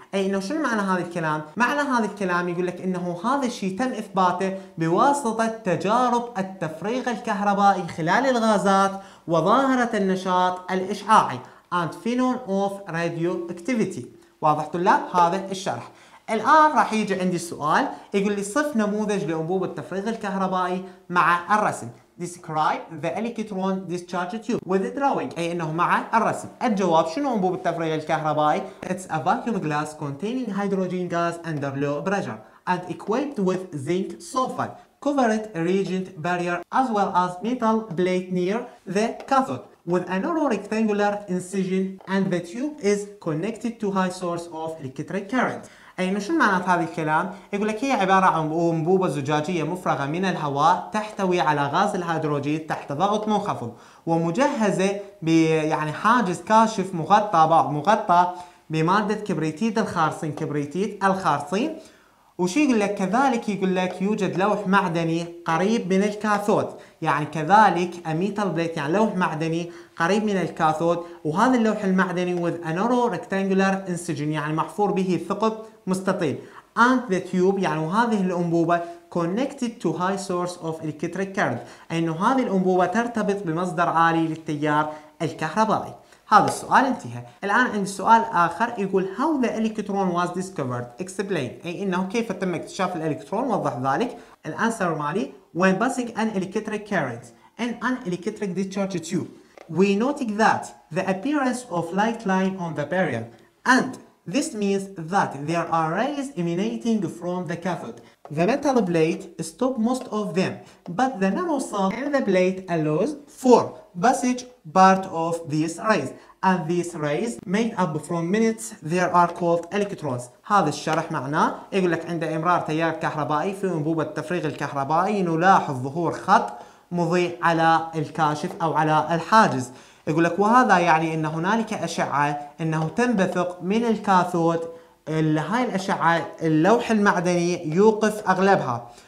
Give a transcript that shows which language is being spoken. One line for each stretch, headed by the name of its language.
Arabic: أي إنه شنو معنى هذا الكلام؟ معنى هذا الكلام يقول لك إنه هذا الشيء تم إثباته بواسطة تجارب التفريغ الكهربائي خلال الغازات وظاهرة النشاط الإشعاعي
English: and phenon of radioactivity.
Arabic: واضح طلاب هذا الشرح. الآن راح يجي عندي السؤال يقول لي صف نموذج لأنبوب التفريغ الكهربائي مع الرسم.
English: Describe the electron discharge tube with the drawing.
Arabic: أي أنه مع الرسم. الجواب شنو أنبوب التفريغ الكهربائي؟
English: It's a vacuum glass containing hydrogen gas under low pressure and equipped with zinc sulfide covered reagent barrier as well as metal plate near the cathode with a narrow rectangular incision and the tube is connected to high source of electric current.
Arabic: أي شنو معنى هذا الكلام؟ يقول لك هي عبارة عن أنبوبة زجاجية مفرغة من الهواء تحتوي على غاز الهيدروجين تحت ضغط منخفض ومجهزة يعني حاجز كاشف مغطى بمادة كبريتيد الخارصين، وشي يقول لك كذلك، يوجد لوح معدني قريب من الكاثود، يعني كذلك
English: a metal plate
Arabic: يعني لوح معدني قريب من الكاثود، وهذا اللوح المعدني
English: with a narrow rectangular incision
Arabic: يعني محفور به ثقب مستطيل
English: and the tube
Arabic: يعني هذه الأنبوبة
English: connected to high source of electric current،
Arabic: أي أنه هذه الأنبوبة ترتبط بمصدر عالي للتيار الكهربائي. هذا السؤال انتهى. الآن عندي سؤال آخر يقول
English: how the electron was discovered explain،
Arabic: أي أنه كيف تم اكتشاف الإلكترون وضح ذلك. الأنسر مالي
English: when passing an electric current and an electric discharge tube we noted that the appearance of light line on the barrier and this means that there are rays emanating from the cathode. The metal plate stops most of them, but the narrow slot in the plate allows for passage part of these rays. And these rays made up from minutes there are called electrons.
Arabic: هذا الشرح معناه يقول لك عند إمرار تيار كهربائي في أنبوبة التفريغ الكهربائي نلاحظ ظهور خط مضيء على الكاشف أو على الحاجز. يقول لك وهذا يعني ان هنالك اشعه انه تنبثق من الكاثود، هاي الاشعه اللوح المعدني يوقف اغلبها